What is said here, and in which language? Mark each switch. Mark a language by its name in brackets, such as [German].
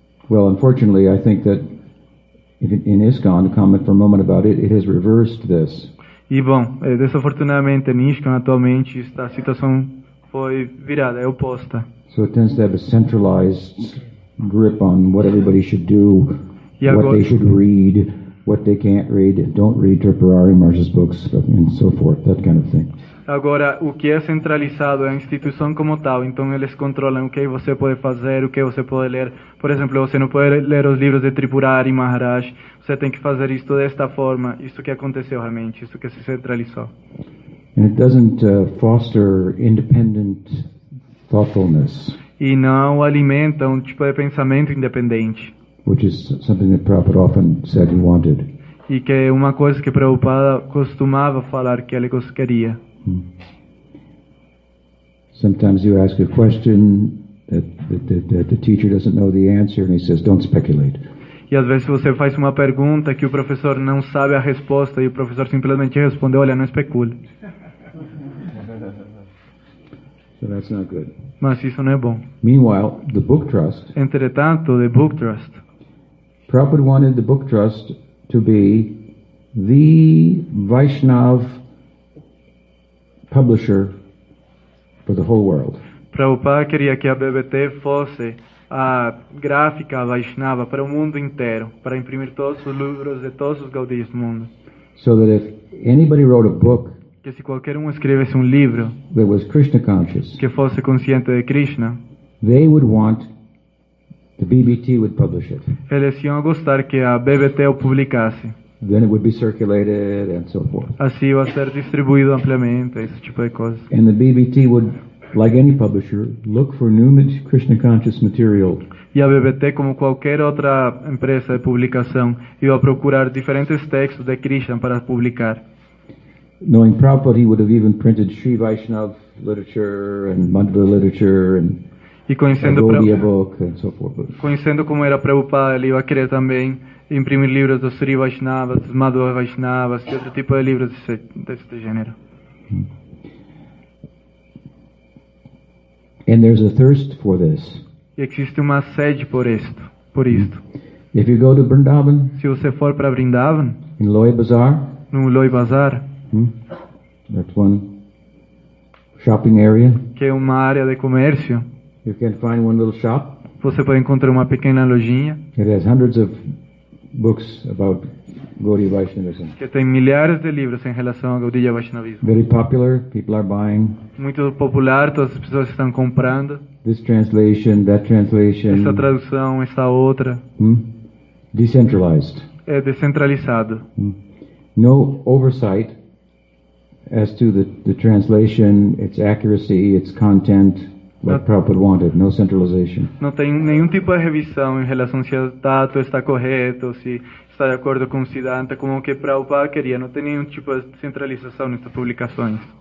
[English] well, unfortunately, I think that in ISKCON, to comment for a moment about it, it has reversed this. [Portuguese] E bom, desafortunadamente, em ISKCON, atualmente, a situação foi virada, é oposta. [English] So it tends to have a centralized grip on what everybody should do, [Portuguese] agora, [English] what they should read, what they can't read, don't read Tripurari Marsh's books, and so forth, that kind of thing. [Portuguese] Agora, o que é centralizado é a instituição como tal, então eles controlam o que você pode fazer, o que você pode ler. Por exemplo, você não pode ler os livros de Tripurari Maharaj, você tem que fazer isto desta forma, isso que aconteceu realmente, isso que se centralizou. [English] And it doesn't foster independent thoughtfulness. [Portuguese] E não alimenta tipo de pensamento independente. [English] Which is something that Prabhupada often said he wanted. [Portuguese] E que é uma coisa que Prabhupada costumava falar que ele queria. [English] Sometimes you ask a question that the teacher doesn't know the answer and he says, don't speculate. [Portuguese] E às vezes você faz uma pergunta que o professor não sabe a resposta e o professor simplesmente responde, olha, não especule. [English] So that's not good. [Portuguese] Mas isso não é bom. [English] Meanwhile, the Book Trust. [Portuguese] Entretanto, the Book Trust. [English] Prabhupada wanted the Book Trust to be the Vaishnav publisher for the whole world. [Portuguese] Prabhupada queria que a BBT fosse a gráfica Vaishnava para o mundo inteiro, para imprimir todos os livros de todos os gaudiyas do mundo. [English] So that if anybody wrote a book. [Portuguese] Que se qualquer escrevesse livro [English] that was Krishna conscious, [Portuguese] que fosse consciente de Krishna, [English] they would want the BBT would publish it. [Portuguese] Eles iam gostar que a BBT o publicasse. [English] Then it would be circulated and so forth. [Portuguese] Assim ia ser distribuído amplamente, esse tipo de coisa. [English] And the BBT would, like any publisher, look for new Krishna conscious material. [Portuguese] E a BBT, como qualquer outra empresa de publicação, ia procurar diferentes textos de Krishna para publicar. [English] Knowing Prabhupada, he would have even printed Sri Vaishnav literature and Mandala literature and Gaudiya book and so forth. But [Portuguese] conhecendo como era Prabhupada, ele ia querer também imprimir livros dos Sri Vaishnavas, dos Madhva Vaishnavas e outro tipo de livros desse gênero. [English] And there's a thirst for this. [Portuguese] E existe uma sede por isto. [English] If you go to Vrindavan, [Portuguese] se você for para Vrindavan, [English] in Loi Bazaar, [Portuguese] no Loi Bazaar, [English] That's one shopping area. [Portuguese] Que é uma área de comércio. [English] You can find one little shop. [Portuguese] Você pode encontrar uma pequena lojinha. [English] It has hundreds of books about Gaudiya Vaishnavism. [Portuguese] Que tem milhares de livros em relação ao Gaudiya Vaishnavismo. [English] Very popular. People are buying. [Portuguese] Muito popular. Todas as pessoas estão comprando. [English] This translation, that translation. [Portuguese] Essa tradução, essa outra. [English] Decentralized. [Portuguese] É descentralizado. [English] No oversight. As to the translation, its accuracy, its content, what Prabhupada wanted, no centralization. [Portuguese] Não tem nenhum tipo de revisão em relação se o dato está correto, se está de acordo com o Siddhanta, como que Prabhupada queria. Não tem nenhum tipo de centralização nestas publicações.